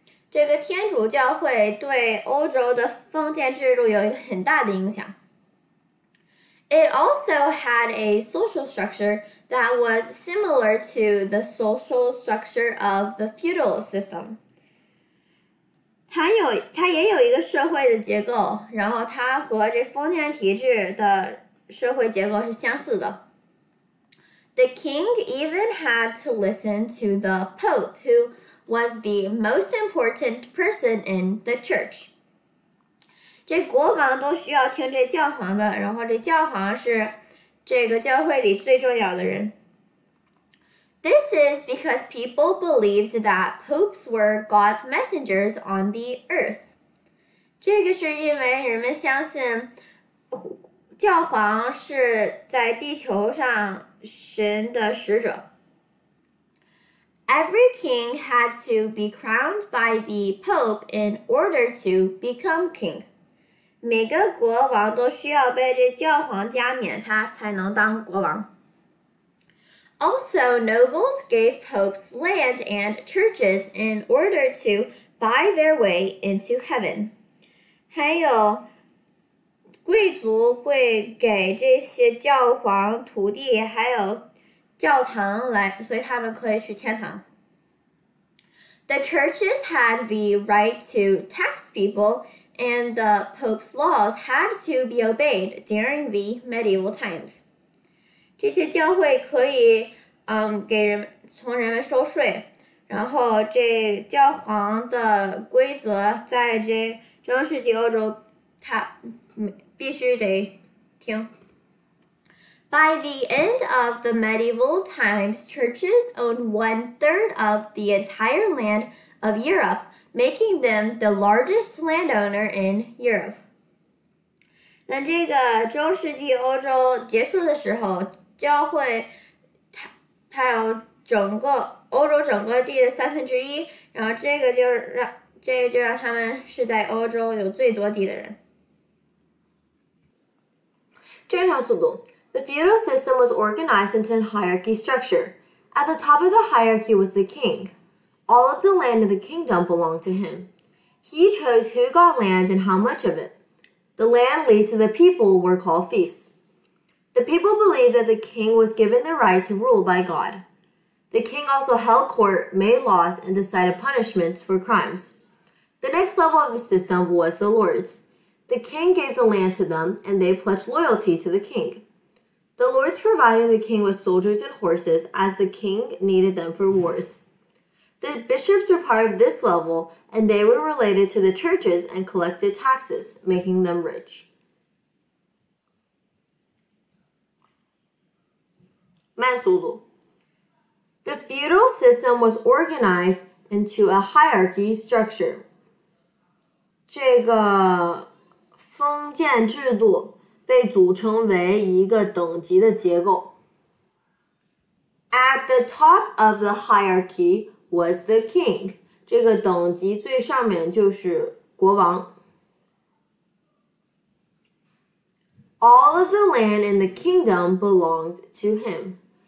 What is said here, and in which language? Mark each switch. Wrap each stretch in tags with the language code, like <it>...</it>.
<zh>这个天主教会对欧洲的封建制度有一个很大的影响。</zh> <en>It also had a social structure that was similar to the social structure of the feudal system.</en> <zh>它也有一个社会的结构，然后它和这封建体制的社会结构是相似的。</zh> <en>The king even had to listen to the pope, who was the most important person in the church.</en> <zh>这国王都需要听这教皇的，然后这教皇是这个教会里最重要的人。</zh> <en>This is because people believed that popes were God's messengers on the earth.</en> <zh>这个是因为人们相信教皇是在地球上神的使者。</zh> <en>Every king had to be crowned by the pope in order to become king.</en> <zh>每个国王都需要被这教皇加冕，他才能当国王。</zh> <en>Also, nobles gave popes land and churches in order to buy their way into heaven.</en> <zh>还有，贵族会给这些教皇土地，还有教堂来，所以他们可以去天堂。</zh> <en>The churches had the right to tax people. And the Pope's laws had to be obeyed during the medieval times.</en> <zh>这些教会可以给人从人们收税，然后这教皇的规则在这中世纪欧洲他必须得听。</zh> <en>By the end of the medieval times, churches owned 1/3 of the entire land of Europe, making them the largest landowner in Europe.</en> <zh>那这个中世纪欧洲结束的时候，教会它有整个欧洲整个地的三分之一，然后这个就让他们是在欧洲有最多地的人。这样速度。</zh> <en>The feudal system was organized into a hierarchy structure. At the top of the hierarchy was the king. All of the land in the kingdom belonged to him. He chose who got land and how much of it. The land leased to the people were called fiefs. The people believed that the king was given the right to rule by God. The king also held court, made laws, and decided punishments for crimes. The next level of the system was the lords. The king gave the land to them, and they pledged loyalty to the king. The lords provided the king with soldiers and horses as the king needed them for wars. The bishops were part of this level, and they were related to the churches and collected taxes, making them rich.</en> <zh>慢速度。</zh> <en>The feudal system was organized into a hierarchy structure.</en> <zh>这个封建制度被组成为一个等级的结构。</zh> <en>At the top of the hierarchy was the king.</en> <zh>这个等级最上面就是国王。</zh> <en>All of the land in the kingdom belonged to him.</en>